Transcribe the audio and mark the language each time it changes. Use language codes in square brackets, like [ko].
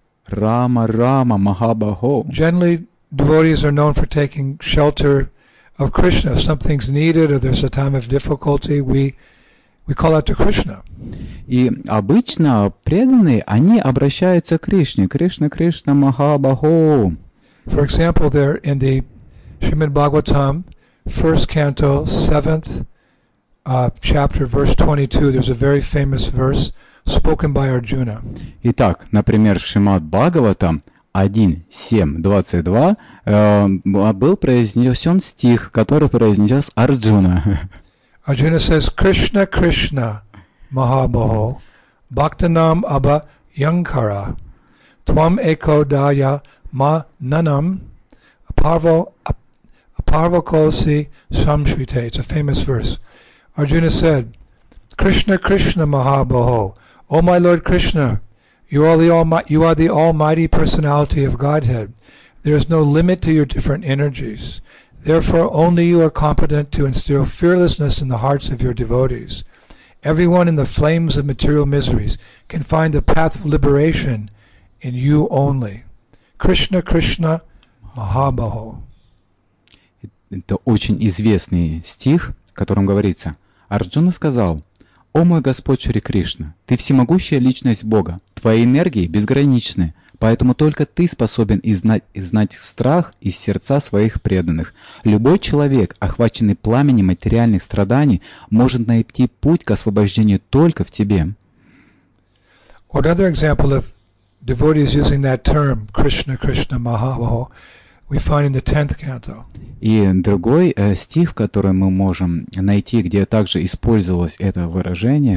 [sa] Rama, Rama, Mahabaho. [en] Generally, devotees are known for taking shelter of Krishna. If something's needed or there's a time of difficulty, we call out to Krishna. [ru] И обычно преданные, они обращаются к Кришне. [sa] Кришна, Кришна, Махабахо. [en] For example, there in the Srimad Bhagavatam, first canto, seventh chapter, verse 22, there's a very famous verse spoken by Arjuna. [ru] Итак, например, в Шримад Бхагаватам 1.7.22 был произнесен стих, который произнес Арджуна. [en] Arjuna says, [sa] Krishna, Krishna, Mahabaho, Bhaktanam Abha Yankara, Twam Eko Daya Ma Nanam, Aparvo Kosi Samshrite. [en] It's a famous verse. Arjuna said, Krishna, Krishna, Mahabaho, O my Lord Krishna, you are the almighty personality of Godhead. There is no limit to your different energies. Therefore, only you are competent to instill fearlessness in the hearts of your devotees. Everyone in the flames of material miseries can find the path of liberation in you only. [sa] Krishna, Krishna, Mahabaho. [ru] Это очень известный стих, в котором говорится. Арджуна сказал, «О мой Господь Шри Кришна, ты всемогущая личность Бога, твои энергии безграничны». Поэтому только ты способен изгнать страх из сердца своих преданных. Любой человек, охваченный пламенем материальных страданий, может найти путь к освобождению только в тебе. [en] Another example of devotees using that term Krishna Krishna Mahabaho we find in the 10th canto. [ru] И другой стих, который мы можем найти, где также использовалось это выражение,